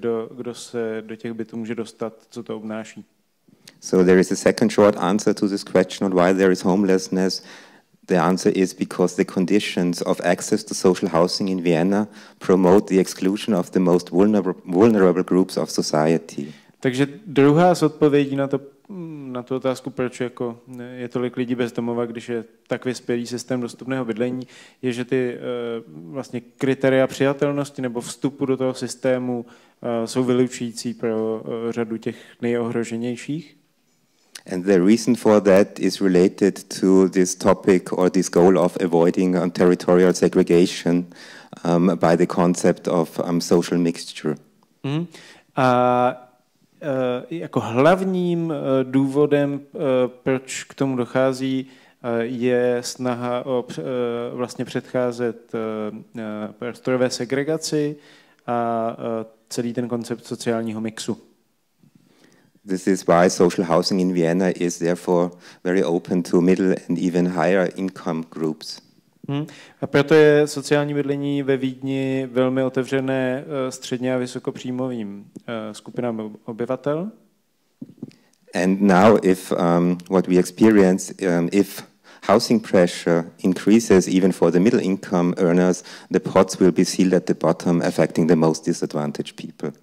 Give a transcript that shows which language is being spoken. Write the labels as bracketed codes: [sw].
[cs] Kdo se do těch bytů může dostat, co to obnáší. [en] So there is a second short answer to this question on why there is homelessness. The answer is because the conditions of access to social housing in Vienna promote the exclusion of the most vulnerable groups of society. [cs] Takže druhá z odpovědí na tu otázku, proč jako je tolik lidí bez domova, když je tak vyspělý systém dostupného bydlení, je, že ty vlastně kritéria přijatelnosti nebo vstupu do toho systému jsou vylučující pro řadu těch nejohroženějších. [en] And the reason for that is related to this topic or this goal of avoiding territorial segregation by the concept of social mixture. Mm-hmm. [cs] A jako hlavním důvodem, proč k tomu dochází, je snaha o vlastně předcházet prostorové segregaci a celý ten koncept sociálního mixu. [en] This is why social housing in Vienna is therefore very open to middle and even higher income groups. Hmm. [cs] A proto je sociální bydlení ve Vídni velmi otevřené středně a vysokopříjmovým skupinám obyvatel. [en] And now if what we experience if housing pressure increases even for the middle income earners, the pots will be sealed at the bottom affecting the most disadvantaged people.